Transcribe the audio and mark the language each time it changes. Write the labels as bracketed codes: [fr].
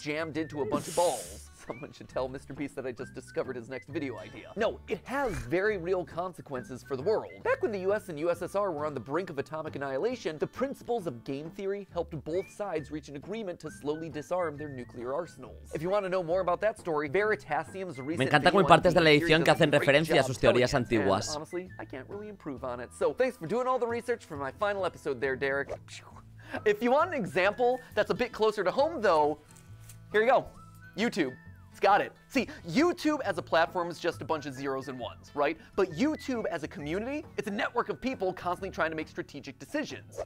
[en] Jammed into a bunch of balls. Someone should tell Mr. Beast that I just discovered his next video idea. No, it has very real consequences for the world. Back when the US and USSR were on the brink of atomic annihilation, the principles of game theory helped both sides reach an agreement to slowly disarm their nuclear arsenals. If you want to know more about that story, Veritasium's recent [es] Me encanta como partes de la edición que hacen referencia a sus teorías antiguas. [en] Honestly, I can't really improve on it. So, thanks for doing all the research for my final episode there, Derek. If you want an example that's a bit closer to home, though, here you go. YouTube. Got it. See, YouTube as a platform is just a bunch of zeros and ones, right? But YouTube as a community, it's a network of people constantly trying to make strategic decisions.